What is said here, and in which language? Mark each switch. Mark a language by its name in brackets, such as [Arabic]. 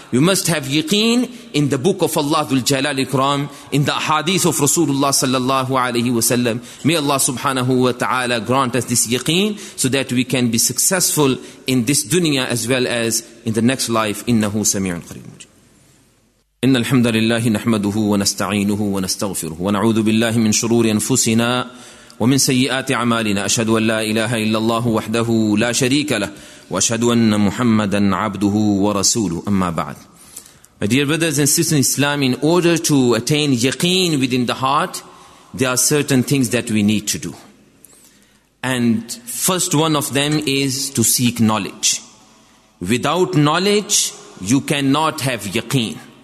[English] We must have yaqeen in the book of Allah dhul jalal ikram, in the ahadith of Rasulullah sallallahu alayhi wa sallam. May Allah subhanahu wa ta'ala grant us this yaqeen so that we can be successful in this dunya as well as in the next life. Innahu sami'un qareeb. [Arabic] Inna alhamdulillahi nahmaduhu wa nasta'inuhu wa nastaghfiruhu wa na'udhu billahi min shururi anfusina ومن سيئات أعمالنا أشهد أن لا إله إلا الله وحده لا شريك له وأشهد أن محمدا عبده ورسوله أما بعد. [English] My dear brothers and sisters in Islam, in order to attain yaqeen within the heart, there are certain things that we need to do. And first one of them is to seek knowledge. Without knowledge, you cannot have yaqeen.